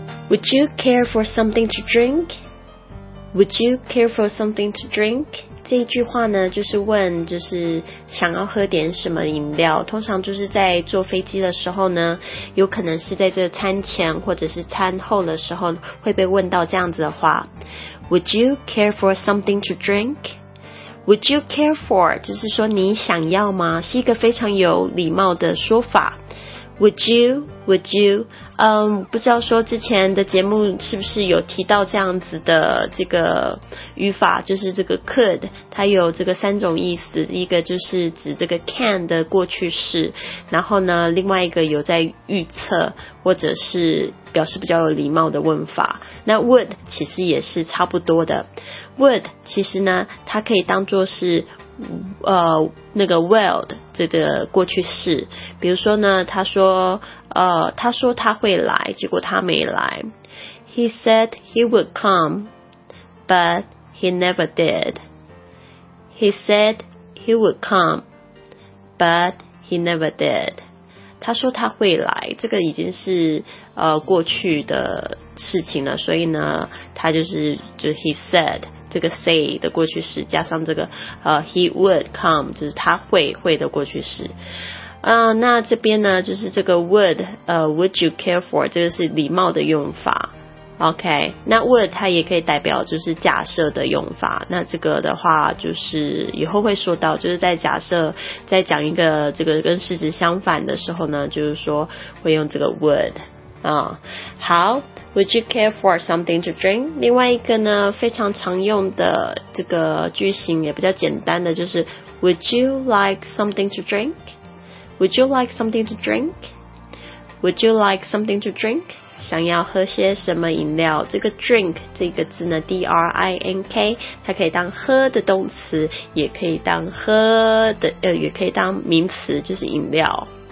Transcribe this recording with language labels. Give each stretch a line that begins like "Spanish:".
English: Would you care for something to drink? Would you care for something to drink?
Chinese: 这一句话呢，就是问，就是想要喝点什么饮料。通常就是在坐飞机的时候呢，有可能是在这餐前或者是餐后的时候会被问到这样子的话。
English: Would you care for something to drink? Would you care for?
Chinese: 就是说你想要吗？是一个非常有礼貌的说法。
English: Would you?
Chinese: 不知道说之前的节目是不是有提到这样子的这个语法，就是这个 could 它有这个三种意思，一个就是指这个 can 的过去式，然后呢另外一个有在预测或者是表示比较有礼貌的问法。那 would 其实也是差不多的， would 其实呢它可以当作是那个 will 这个过去式，比如说呢他说他说他会来，结果他没来。
English: He said he would come but he never did. He said he would come but he never did.
Chinese: 他说他会来，这个已经是过去的事情了，所以呢他就 he said这个 say 的过去式加上这个he would come 就是他会的过去式。那这边呢就是这个 would you care for， 这个是礼貌的用法。 OK， 那 would 它也可以代表就是假设的用法，那这个的话就是以后会说到，就是在假设在讲一个这个跟事实相反的时候呢，就是说会用这个 would。
English: 好， Would you care for something to drink?
Chinese: 另外一个呢非常常用的这个句型也比较简单的，就是
English: Would you like something to drink? Would you like something to drink? Would you like something to drink?
Chinese: 想要喝些什么饮料。这个 drink 这个字呢 D-R-I-N-K 它可以当喝的动词，也可以当喝的也可以当名词，就是饮料。